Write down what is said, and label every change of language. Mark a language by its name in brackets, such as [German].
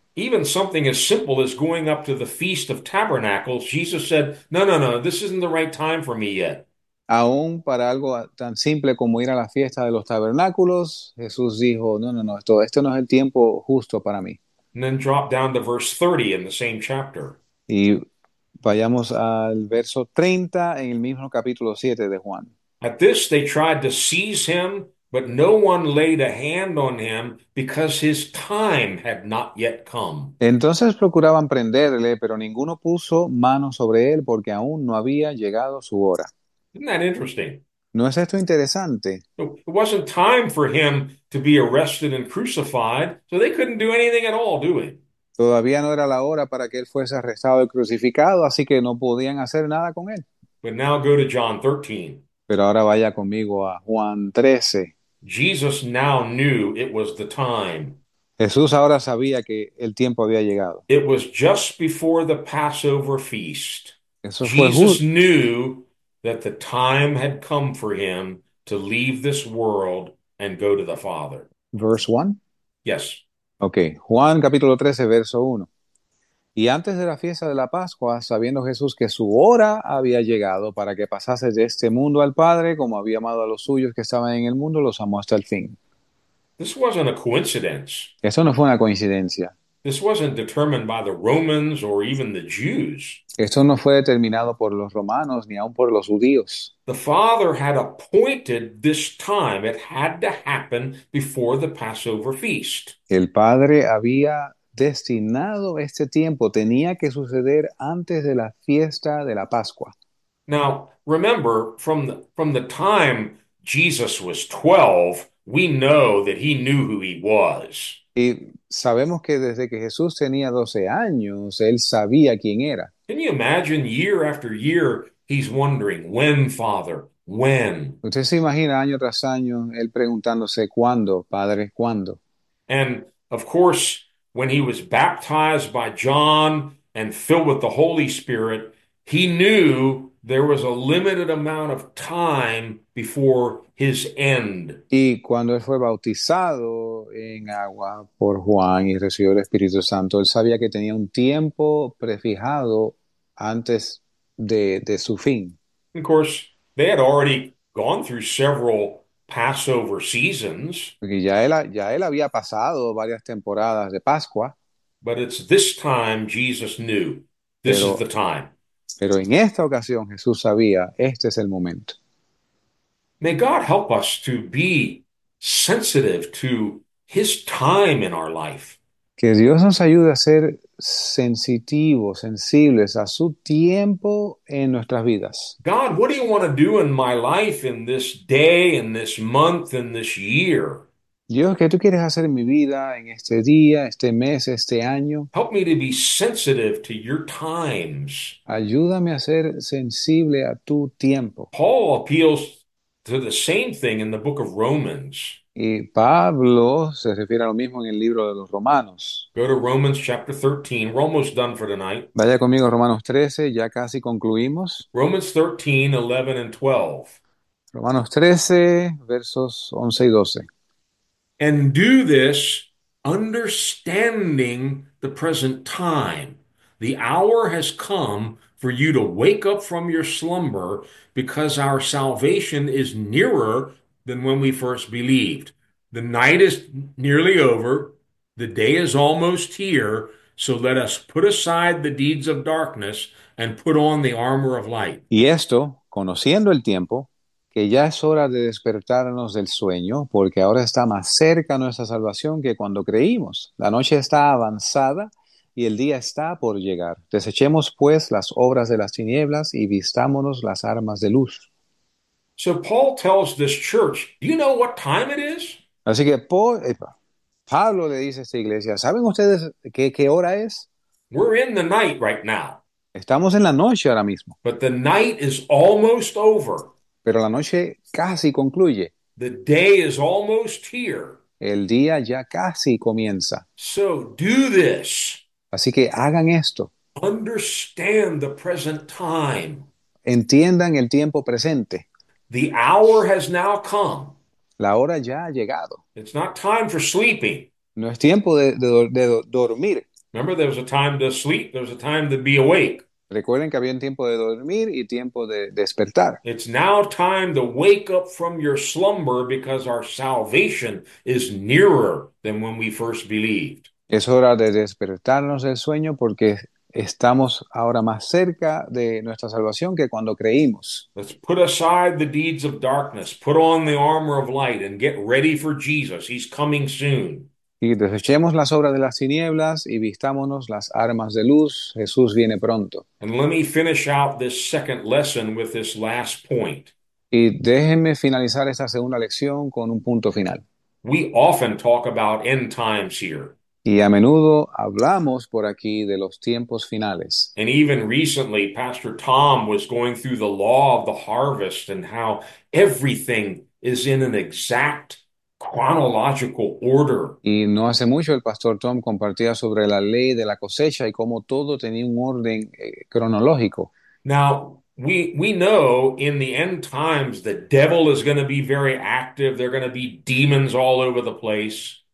[English] Even something as simple as going up to the Feast of Tabernacles, Jesus said, no, this isn't the right time for me yet. [Spanish] Aún para algo tan simple como ir a la fiesta de los tabernáculos, Jesús dijo, no, esto no es el tiempo justo para mí. [English] And then drop down to verse 30 in the same chapter. [Spanish] Y vayamos al verso 30 en el mismo capítulo 7 de Juan. [English] At this, they tried to seize him, but no one laid a hand on him because his time had not yet come. [Spanish] Entonces procuraban prenderle, pero ninguno puso mano sobre él porque aún no había llegado su hora. [English] Isn't that interesting? [Spanish] ¿No es esto interesante? [English] It wasn't time for him to be arrested and crucified, so they couldn't do anything at all, do it. [Spanish] Todavía no era la hora para que él fuese arrestado y crucificado, así que no podían hacer nada con él. [English] But now go to John 13. [Spanish] Pero ahora vaya conmigo a Juan 13. [English] Jesus now knew it was the time. [Spanish] Jesús ahora sabía que el tiempo había llegado. [English] It was just before the Passover feast. [Spanish] Eso fue [English] Jesus [Spanish] justo. [English] knew that the time had come for him to leave this world and go to the Father. Verse 1. Yes. [Spanish] Ok, Juan capítulo 13, verso 1. Y antes de la fiesta de la Pascua, sabiendo Jesús que su hora había llegado para que pasase de este mundo al Padre, como había amado a los suyos que estaban en el mundo, los amó hasta el fin. [English] This wasn't a coincidence. [Spanish] Eso no fue una coincidencia. [English] This wasn't determined by the Romans or even the Jews. [Spanish] Esto no fue determinado por los romanos ni aun por los judíos. [English] The Father had appointed this time. It had to happen before the Passover feast. [Spanish] El Padre había destinado este tiempo, tenía que suceder antes de la fiesta de la Pascua. [English] Now, remember, from the time Jesus was 12, we know that he knew who he was. [Spanish] Y sabemos que desde que Jesús tenía 12 años, él sabía quién era. [English] Can you imagine year after year he's wondering, when, Father, when? [Spanish] Usted se imagina año tras año él preguntándose cuándo, padre, cuándo. [English] And of course, when he was baptized by John and filled with the Holy Spirit, he knew there was a limited amount of time before his end. [Spanish] Y cuando él fue bautizado en agua por Juan y recibió el Espíritu Santo, él sabía que tenía un tiempo prefijado antes de su fin. [English] Of course, they had already gone through several Passover seasons. [Spanish] Porque ya él había pasado varias temporadas de Pascua, [English] But it's this time Jesus knew. This is the time. [Spanish] pero en esta ocasión Jesús sabía, este es el momento. [English] May God help us to be sensitive to His time in our life. [Spanish] Que Dios nos ayude a ser sensitivos, sensibles a su tiempo en nuestras vidas. [English] God, what do you want to do in my life in this day, in this month, in this year? [Spanish] Dios, ¿qué tú quieres hacer en mi vida, en este día, este mes, este año? [English] Help me to be sensitive to your times. [Spanish] Ayúdame a ser sensible a tu tiempo. [English] Paul appeals to the same thing in the book of Romans. [Spanish] Y Pablo se refiere a lo mismo en el libro de los Romanos. [English] Go to Romans chapter 13. We're almost done for tonight. [Spanish] Vaya conmigo, Romanos 13, ya casi concluimos. [English] Romans 13, 11 and 12. [Spanish] Romanos 13, versos 11 y 12. [English] And do this understanding the present time. The hour has come for you to wake up from your slumber because our salvation is nearer than when we first believed. The night is nearly over. The day is almost here. So let us put aside the deeds of darkness and put on the armor of light. [Spanish] Y esto, conociendo el tiempo, que ya es hora de despertarnos del sueño, porque ahora está más cerca nuestra salvación que cuando creímos. La noche está avanzada y el día está por llegar. Desechemos, pues, las obras de las tinieblas y vistámonos las armas de luz. [English] So Paul tells this church, do you know what time it is? [Spanish] Así que Pablo le dice a esta iglesia, ¿saben ustedes qué hora es? [English] We're in the night right now. [Spanish] Estamos en la noche ahora mismo. [English] But the night is almost over. [Spanish] Pero la noche casi concluye. [English] The day is almost here. [Spanish] El día ya casi comienza. [English] So do this. [Spanish] Así que hagan esto. [English] Understand the present time. [Spanish] Entiendan el tiempo presente. [English] The hour has now come. [Spanish] La hora ya ha llegado. [English] It's not time for sleeping. [Spanish] No es tiempo de dormir. [English] Remember, there was a time to sleep, there was a time to be awake. [Spanish] Recuerden que había un tiempo de dormir y tiempo de despertar. [English] It's now time to wake up from your slumber because our salvation is nearer than when we first believed. [Spanish] Es hora de despertarnos del sueño porque estamos ahora más cerca de nuestra salvación que cuando creímos. [English] Let's put aside the deeds of darkness, put on the armor of light, and get ready for Jesus. He's coming soon. [Spanish] Y desechemos las obras de las tinieblas y vistámonos las armas de luz. Jesús viene pronto. [English] And let me finish out this second lesson with this last point. [Spanish] Y déjenme finalizar esta segunda lección con un punto final. [English] We often talk about end times here. [Spanish] Y a menudo hablamos por aquí de los tiempos finales. [English] And even recently, Pastor Tom was going through the law of the harvest and how everything is in an exact chronological order. [Spanish] Y no hace mucho el pastor Tom compartía sobre la ley de la cosecha y cómo todo tenía un orden cronológico. [English] Now, we know in the end times the devil is going to be very active. There are going to be demons all over the place.